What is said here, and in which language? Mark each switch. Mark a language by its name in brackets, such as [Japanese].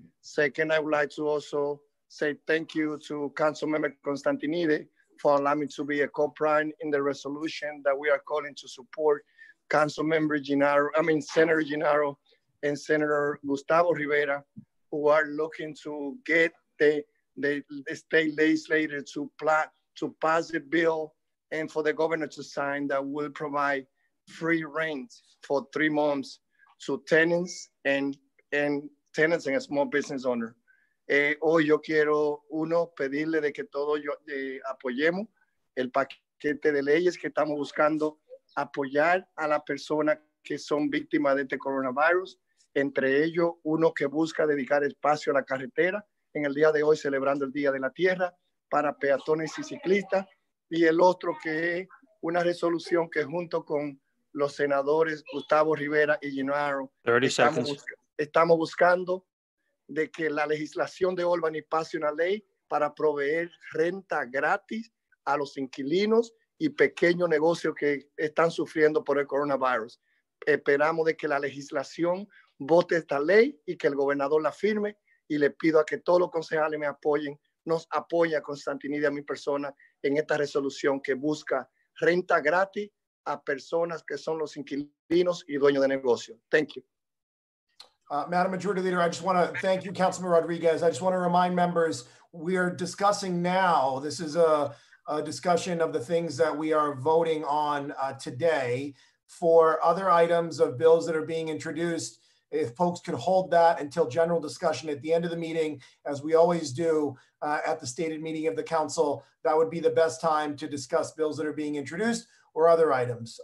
[English] Second, I would like to also say thank you to Councilmember Constantinides for allowing me to be a co-prime in the resolution that we are calling to support Councilmember Senator Gennaro and Senator Gustavo Rivera, who are looking to get the state legislator to pass the bill and for the governor to sign that will provide free rent for 3 months to tenants and tenants and a small business owner. [Spanish] Hoy yo quiero uno pedirle de que todos apoyemos el paquete de leyes que estamos buscando apoyar a las personas que son víctimas de este coronavirus, entre ellos uno que busca dedicar espacio a la carretera en el día de hoy celebrando el Día de la Tierra para peatones y ciclistas, y el otro que es una resolución que junto con los senadores Gustavo Rivera y Gennaro estamos buscando de que la legislación de Albany pase una ley para proveer renta gratis a los inquilinos y pequeños negocios que están sufriendo por el coronavirus. Esperamos de que la legislación vote esta ley y que el gobernador la firme, y le pido a que todos los concejales me apoyen, nos apoya Constantinides a mi persona en esta resolución que busca renta gratis a personas que son los inquilinos y dueños de negocio. [English] Thank you. Madam Majority Leader, I just want to thank you, Councilman Rodriguez. I just want to remind members, we are discussing now, this is a discussion of the things that we are voting on today. For other items of bills that are being introduced, if folks could hold that until general discussion at the end of the meeting, as we always do at the stated meeting of the council, that would be the best time to discuss bills that are being introduced or other items.